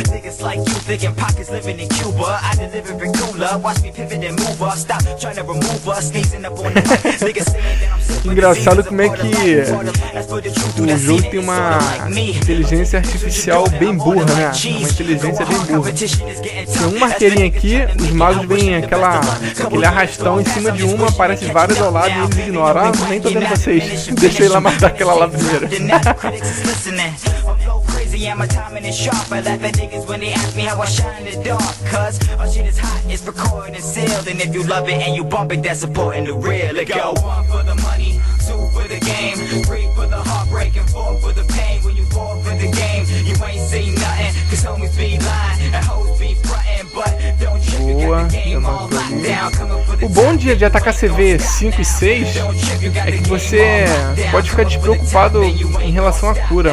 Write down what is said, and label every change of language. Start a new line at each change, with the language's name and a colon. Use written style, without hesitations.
English: Niggas like you thinking pockets living in Cuba. I deliver it cooler, watch me pivot and move up. Stop trying to remove us, sneezing up on the mic. Niggas saying that I'm sick.
Portuguese: Engraçado como é que o jogo tem uma inteligência artificial bem burra, né? Uma inteligência bem burra. Tem uma marqueirinha aqui, os magos vêm aquele arrastão em cima de uma, aparece várias ao lado e eles ignoram. Ah, nem tô vendo vocês. Deixa ele lá matar aquela lá primeiro.
English: Yeah, my timing is sharp. I laugh at niggas when they ask me how I shine in the dark. Cause our shit is hot, it's recorded and sealed. And if you love it and you bump it, that's supporting the real. Let go. One for the money, two for the game, three for the heartbreak, and four for the pain. When you fall for the game, you ain't see nothing. Cause homies be lying and hoes be frontin'. But don't trip, you got the game all locked down.
Portuguese: O bom dia de atacar CV 5 e 6 é que você pode ficar despreocupado em relação à cura.